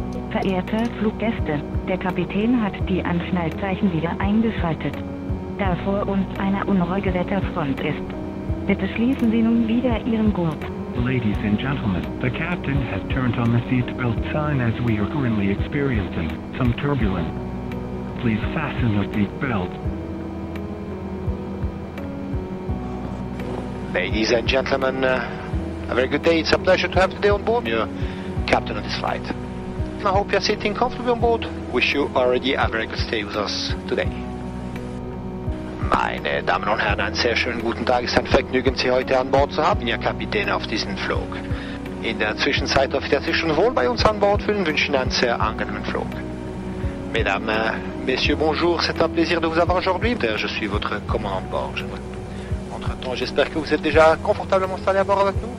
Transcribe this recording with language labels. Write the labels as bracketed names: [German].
[German] Verehrte Fluggäste, der Kapitän hat die Anschnallzeichen wieder eingeschaltet, da vor uns eine unruhige Wetterfront ist. Bitte schließen Sie nun wieder Ihren Gurt. [English] Ladies and gentlemen, the captain has turned on the seatbelt sign as we are currently experiencing some turbulence. Please fasten your seatbelt. Ladies and gentlemen, a very good day. It's a pleasure to have today on board your captain of this flight. I hope you're sitting comfortably on board. Wish you already a very good stay with us today. [German] Meine Damen und Herren, einen sehr schönen guten Tag. Es ist ein Vergnügen, Sie heute an Bord zu haben, Ihr Kapitän auf diesem Flug. In der Zwischenzeit darf ich Sie schon wohl bei uns an Bord fühlen und wünsche Ihnen einen sehr angenehmen Flug. [French] Mesdames, Messieurs, bonjour, c'est un plaisir de vous avoir aujourd'hui. Je suis votre commandant de bord. Entre-temps, j'espère que vous êtes déjà confortablement installé à bord avec nous.